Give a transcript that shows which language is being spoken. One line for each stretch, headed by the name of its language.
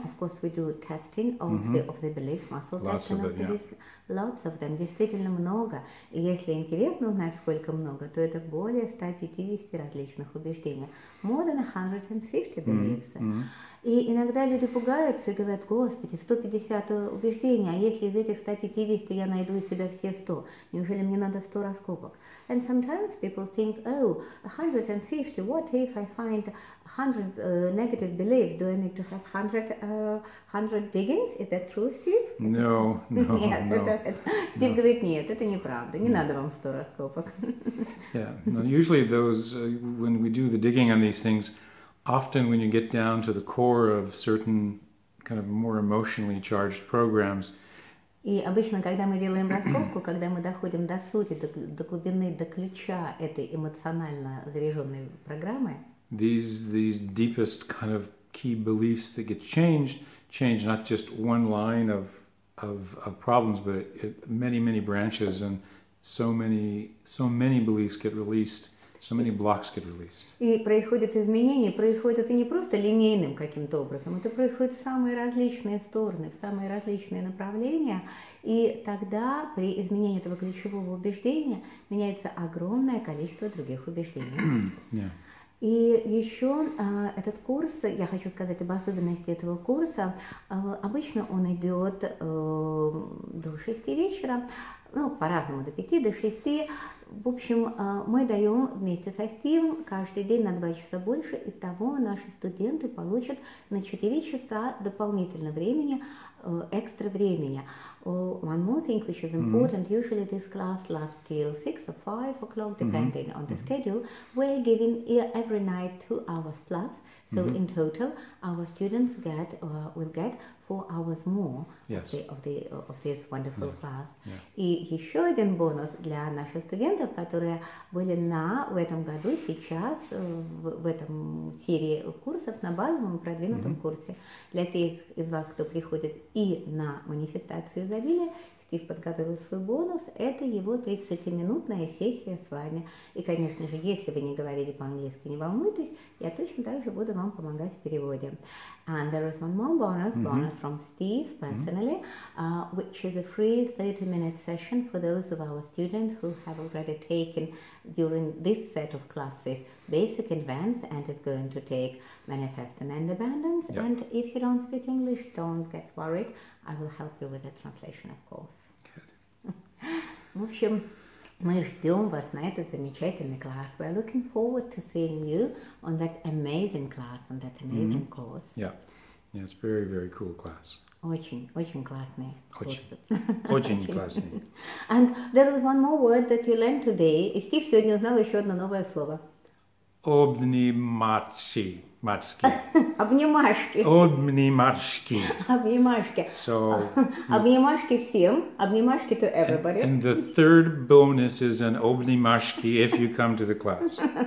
English: Of course, we do testing of the beliefs, muscle testing. Lots of them, Lots of them.
Russian: Действительно много. И если интересно узнать, сколько много, то это более 150 различных убеждений.
English: More than 150 beliefs.
Russian: И иногда люди пугаются и говорят, господи, 150 убеждений, а если из этих 150 я найду у себя все 100, неужели мне надо 100 раскопок?
English: And sometimes people think, oh, 150, what if I find 100 negative beliefs? Do I need to have 100 diggings? Is that true, Steve? No.
Russian: Steve говорит, нет, это неправда, не надо вам 100 раскопок.
English: Usually those, when we do the digging on these things, often when you get down to the core of certain kind of more emotionally charged programs.
Russian: И обычно, когда мы делаем раскопку, когда мы доходим до сути, до глубины, до ключа этой эмоционально заряженной программы.
English: These deepest kind of key beliefs that get change not just one line of problems, but it many branches and so many beliefs get released. So many blocks get released.
Russian: И происходит изменение, происходит это не просто линейным каким-то образом, это происходит в самые различные стороны, в самые различные направления, и тогда при изменении этого ключевого убеждения меняется огромное количество других убеждений. И еще этот курс, я хочу сказать об особенности этого курса, обычно он идет до 6 вечера, ну, по-разному, до 5, до 6. В общем, мы даем вместе со Стивом каждый день на 2 часа больше, и того наши студенты получат на 4 часа дополнительного времени, экстра времени.
English: One more thing, which is important, usually this class lasts till 6 or 5 o'clock, depending on the schedule. We're giving every night 2 hours plus, so in total, our students get will get 4 hours more of this wonderful class. Yeah.
Russian: И еще один бонус для наших студентов, которые были в этом году, сейчас, в этом серии курсов, на базовом продвинутом курсе. Для тех из вас, кто приходит и на манифестацию изобилия, Стив подготовил свой бонус. Это его 30-минутная сессия с вами. И, конечно же, если вы не говорили по-английски, не волнуйтесь, я точно так же буду вам помогать в переводе.
English: And there is one more bonus, bonus from Steve personally, which is a free 30-minute session for those of our students who have already taken during this set of classes basic advanced and is going to take manifesting and abundance. Yep. And if you don't speak English, don't get worried. I will help you with the translation, of course. Good.
Russian: В общем, мы ждем вас на этот замечательный класс.
English: We're looking forward to seeing you on that amazing class, on that amazing course. Yeah. Yeah, it's very, very cool class.
Russian: Очень классный. Очень классный.
English: And there is one more word that you learned today.
Russian: Steve сегодня узнал еще одно новое слово. Обнимашки. Обнимашки. Обнимашки. Обнимашки.
English: So,
Russian: обнимашки всем. Обнимашки
English: to everybody. And the third bonus is an обнимашки if you come to the class.